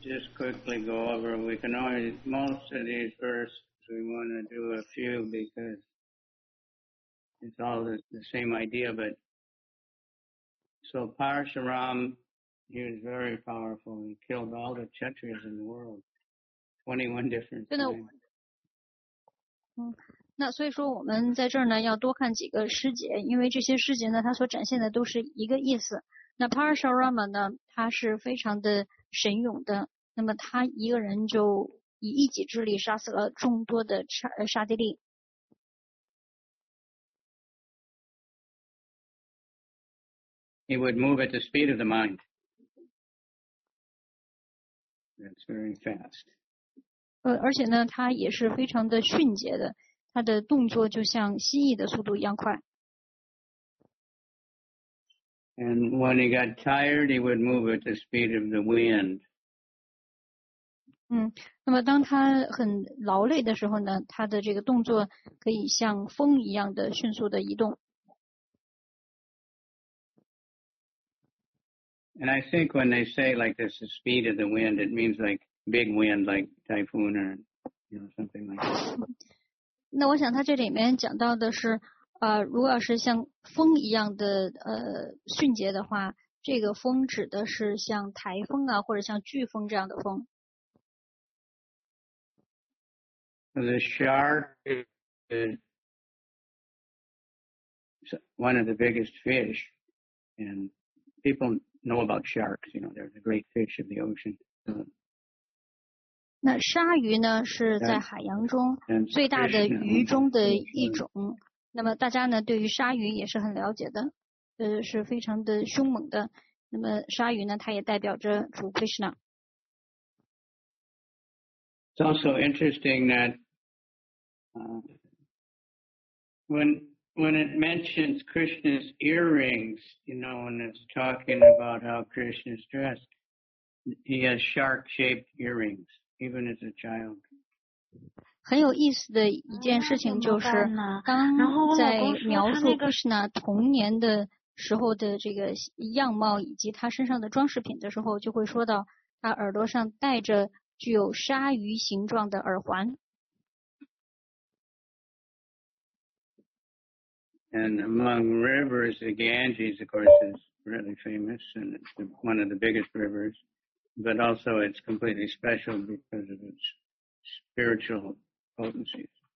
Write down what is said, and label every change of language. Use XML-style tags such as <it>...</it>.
<en>Just quickly go over, we can always, most of these verses, we want to do a few because it's all the same idea, but so Parashurama, he was very powerful. He killed all the Kshatriyas in the world, 21 different</en> <zh>things. 那所以说我们在这儿呢要多看几个师姐，因为这些师姐呢它所展现的都是一个意思。那 Parashurama 呢，他是非常的神勇的，那么他一个人就以一己之力杀死了众多的沙帝利。</zh> <en>He would move at the speed of the mind. That's very fast.</en> <zh>而且呢，他也是非常的迅捷的，他的动作就像蜥蜴的速度一样快。</zh> <en>And when he got tired, he would move at the speed of the wind.</en> <zh>那么当他很劳累的时候呢，他的这个动作可以像风一样的迅速的移动。</zh> <en>And I think when they say like this, the speed of the wind, it means like big wind, like typhoon or, you know, something like that.</en> <zh>那我想他这里面讲到的是如果要是像风一样的迅捷的话，这个风指的是像台风啊，或者像飓风这样的风。</zh> <en>The shark is one of the biggest fish, and people know about sharks. You know, they're the great fish of the ocean.</en> <zh>那鲨鱼呢是在海洋中最大的鱼中的一种，那么大家呢对于鲨鱼也是很了解的，是非常的凶猛的。那么鲨鱼呢它也代表着主 Krishna。</zh> <en>It's also interesting that when it mentions Krishna's earrings, you know, when it's talking about how Krishna is dressed, he has shark shaped earrings even as a child.</en> <zh>很有意思的一件事情就是刚在描述 Krishna 童年的时候的这个样貌以及他身上的装饰品的时候，就会说到他耳朵上戴着具有鲨鱼形状的耳环。</zh> <en>And among rivers, the Ganges, of course, is really famous and it's one of the biggest rivers, but also it's completely special because of its spiritual potency.</en>